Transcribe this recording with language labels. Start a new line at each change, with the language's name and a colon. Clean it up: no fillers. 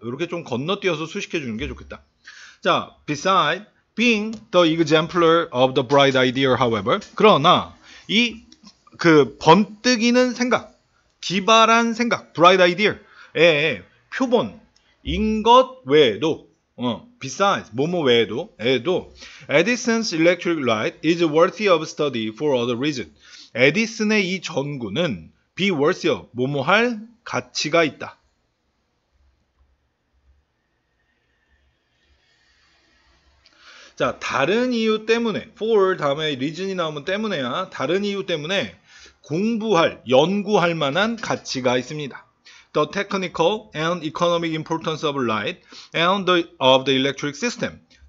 Korean: 이렇게 좀 건너뛰어서 수식해 주는 게 좋겠다.
English: 자, beside being the exemplar of the bright idea, however,
Korean: 그러나 이그 번뜩이는 생각, 기발한 생각, bright idea의 표본인 것 외에도,
English: besides
Korean: 뭐뭐 외에도,
English: Edison's electric light is worthy of study for other reason.
Korean: 에디슨의 이 전구는
English: be worthy of
Korean: 뭐뭐 할 가치가 있다. 자, 다른 이유 때문에, for 다음에 reason이 나오면 때문에야, 다른 이유 때문에 연구할 만한 가치가 있습니다.
English: The technical and economic importance of light and of the electric system.